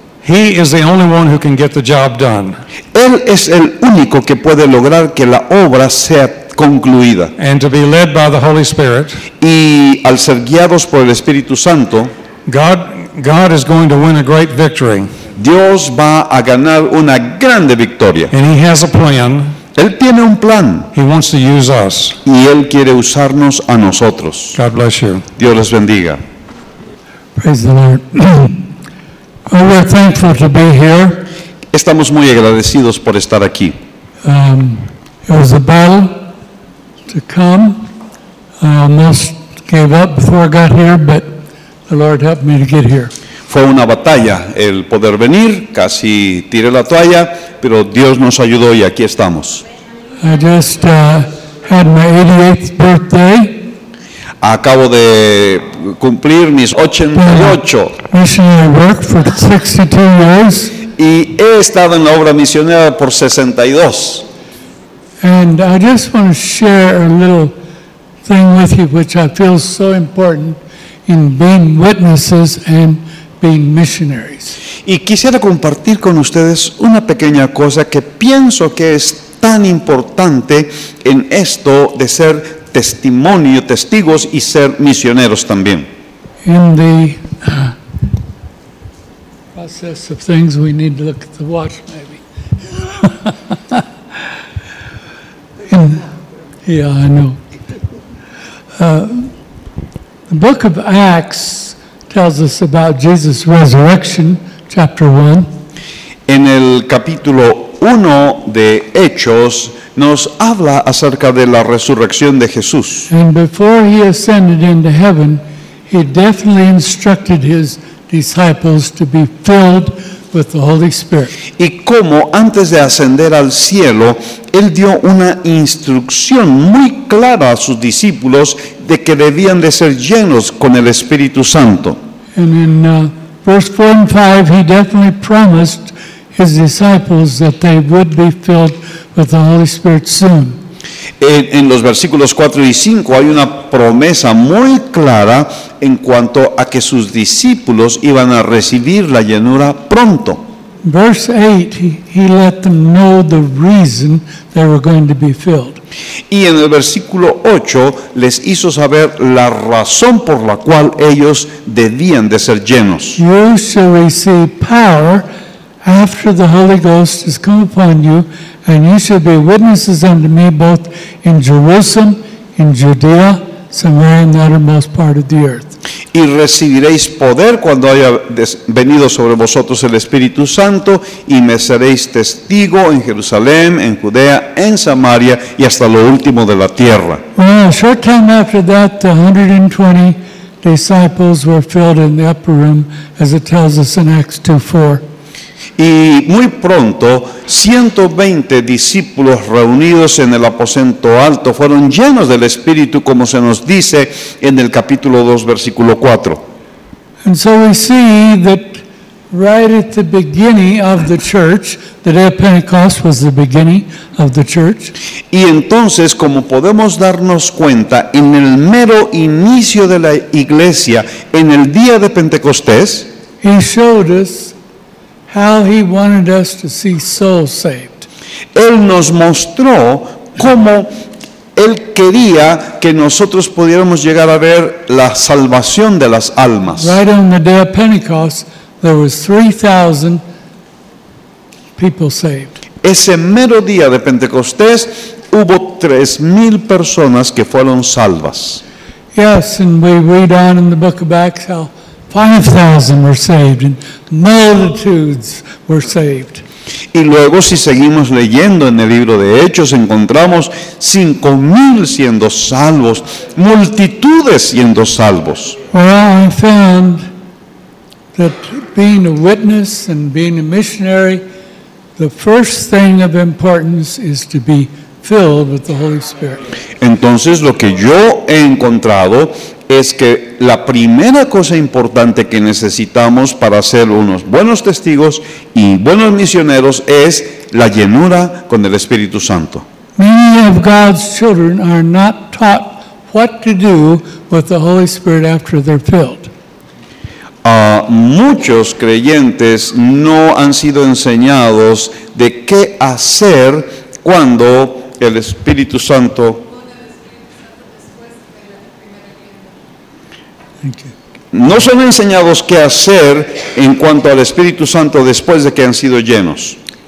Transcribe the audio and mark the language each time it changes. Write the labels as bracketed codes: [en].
[en] He is the only one who can get the job done. [es] Él es el único que puede lograr que la obra sea concluida. [en] And to be led by the Holy Spirit. [es] Y al ser guiados por el Espíritu Santo. [en] God is going to win a great victory. [es] Dios va a ganar una grande victoria. [en] And he has a plan. [es] Él tiene un plan. [en] He wants to use us. [es] Y Él quiere usarnos a nosotros. [en] God bless you. [es] Dios les bendiga. [en] Praise the Lord. Oh, we're thankful to be here. [es] Estamos muy agradecidos por estar aquí. [en] It was a battle to come. I almost gave up before I got here, but the Lord helped me to get here. [es] Fue una batalla el poder venir, casi tiré la toalla, pero Dios nos ayudó y aquí estamos. [en] I just had my 88th birthday. [es] Acabo de cumplir mis 88. [en] Missionary work for 62 years. [es] Y he estado en la obra misionera por 62. [en] And I just want to share a little thing with you which I feel so important in being witnesses and being missionaries. [es] Y quisiera compartir con ustedes una pequeña cosa que pienso que es tan importante en esto de ser testimonio, testigos y ser misioneros también. [en] In the process of things, we need to look at the watch, maybe. I know. The book of Acts tells us about Jesus' resurrection, chapter 1. [es] En el capítulo 1 de Hechos, nos habla acerca de la resurrección de Jesús. [en] And before he ascended into heaven, he definitely instructed his disciples to be filled with the Holy Spirit. [es] Y como antes de ascender al cielo, él dio una instrucción muy clara a sus discípulos de que debían de ser llenos con el Espíritu Santo. [en] And in verse 4 and 5, he definitely promised his disciples that they would be filled with the Holy Spirit soon. [es] En los versículos 4 y 5 hay una promesa muy clara en cuanto a que sus discípulos iban a recibir la llenura pronto. [en] Verse 8, he let them know the reason they were going to be filled. [es] Y en el versículo 8 les hizo saber la razón por la cual ellos debían de ser llenos. [en] You shall receive power after the Holy Ghost has come upon you, and you shall be witnesses unto me both in Jerusalem, in Judea, Samaria, and the uttermost part of the earth. [es] y recibiréis poder cuando haya venido sobre vosotros el Espíritu Santo y me seréis testigo en Jerusalén, en Judea, en Samaria y hasta lo último de la tierra. [en] Well, a short time after that, the 120 disciples were filled in the upper room, as it tells us in Acts 2:4. [es] Y muy pronto, 120 discípulos reunidos en el aposento alto fueron llenos del Espíritu, como se nos dice en el capítulo 2, versículo 4. [en] And so we see that right at the beginning of the church, the day of Pentecost was the beginning of the church. [es] Y entonces, como podemos darnos cuenta, en el mero inicio de la iglesia, en el día de Pentecostés, [en] he showed us how he wanted us to see souls saved. [es] Él nos mostró cómo él quería que nosotros pudiéramos llegar a ver la salvación de las almas. [en] Right on the day of Pentecost, there was 3,000 people saved. [es] Ese mero día de Pentecostés hubo 3,000 personas que fueron salvas. [en] Yes, and we read on in the book of Acts how 5,000 were saved and multitudes were saved. [es] Y luego, si seguimos leyendo en el libro de Hechos, encontramos 5,000 siendo salvos, multitudes siendo salvos. [en] Well, I found that being a witness and being a missionary, the first thing of importance is to be filled with the Holy Spirit. [es] Entonces, lo que yo he encontrado es que la primera cosa importante que necesitamos para ser unos buenos testigos y buenos misioneros es la llenura con el Espíritu Santo. [en] Many of God's children are not taught what to do with the Holy Spirit after they're filled. [es] Muchos creyentes no han sido enseñados de qué hacer cuando el Espíritu Santo... No son enseñados qué hacer en cuanto al Espíritu Santo después de que han sido llenos.